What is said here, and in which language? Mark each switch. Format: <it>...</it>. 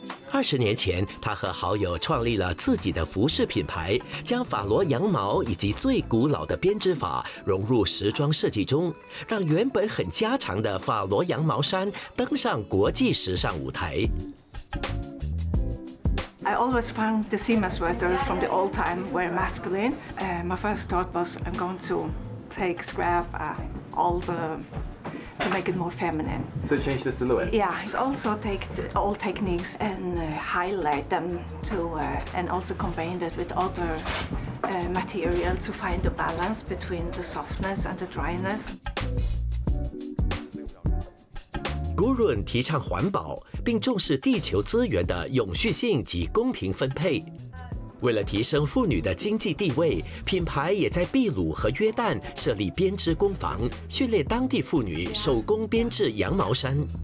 <zh>20年前，他和好友创立了自己的服饰品牌，将法罗羊毛以及最古老的编织法融入时装设计中，让原本很家常的法罗羊毛衫登上国际时尚舞台。</zh> <en>I always found the seamless sweater from the old time very masculine. My first thought was I'm going to take scrap all the. To make it more feminine. So change the silhouette? Yeah, also take all techniques and highlight them to, and also combine it with other material to find the balance between the softness and the dryness.</en> <zh>Gurun 提倡环保，并重视地球资源的永续性及公平分配。为了提升妇女的经济地位，品牌也在秘鲁和约旦设立编织工坊，训练当地妇女手工编织羊毛衫。</zh>